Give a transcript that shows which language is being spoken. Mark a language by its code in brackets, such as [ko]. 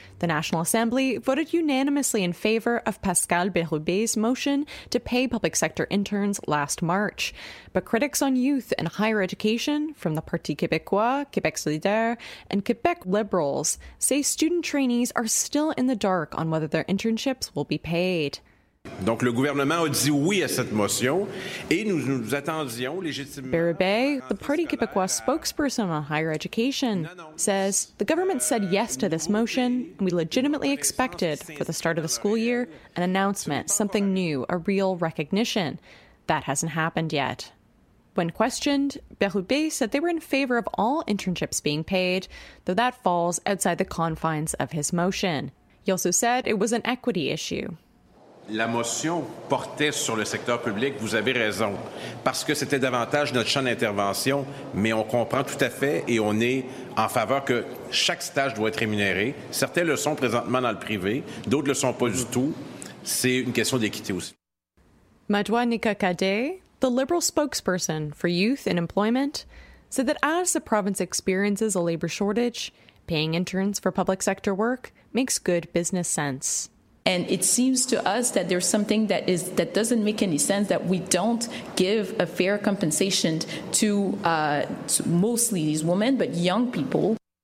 [en] The National Assembly voted unanimously in favor of Pascal Bérubé's motion to pay public sector interns last March. But critics on youth and higher education from the Parti Québécois, Québec Solidaire, and Québec Liberals say student trainees are still in the dark on whether their internships will be paid. [fr] Donc le gouvernement a dit oui à cette motion et nous attendions légitimement. [en] Bérubé, the Parti Québécois spokesperson on higher education, says the government said yes to this motion and we legitimately expected for the start of the school year an announcement, something new, a real recognition. That hasn't happened yet. When questioned, Bérubé said they were in favor of all internships being paid, though that falls outside the confines of his motion. He also said it was an equity issue. [fr] La motion portait sur le secteur public, vous avez raison, parce que c'était davantage notre champ d'intervention, mais on comprend tout à fait et on est en faveur que chaque stage doit être rémunéré. Certains le sont présentement dans le privé, d'autres le sont pas du tout. C'est une question d'équité aussi. [en] Madwa Nikakade, the Liberal spokesperson for youth and employment, said that as the province experiences a labor shortage, paying interns for public sector work makes good business sense. And it seems to us that there's something that doesn't make any sense, that we don't give a fair compensation to mostly these women, but young people.